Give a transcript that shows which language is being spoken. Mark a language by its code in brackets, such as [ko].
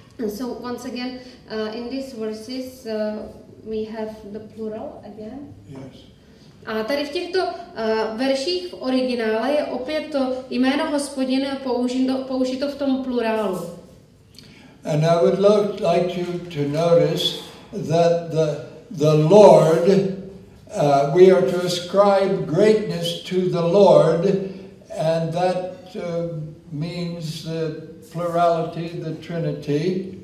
[en] So once again, in these verses, we have the plural again. Yes. [cs] A tady v těchto verších v originále je opět to jméno Hospodin použito v tom plurálu. [en] And I would like you to notice that the Lord, we are to ascribe greatness to the Lord, and that means the plurality, the Trinity.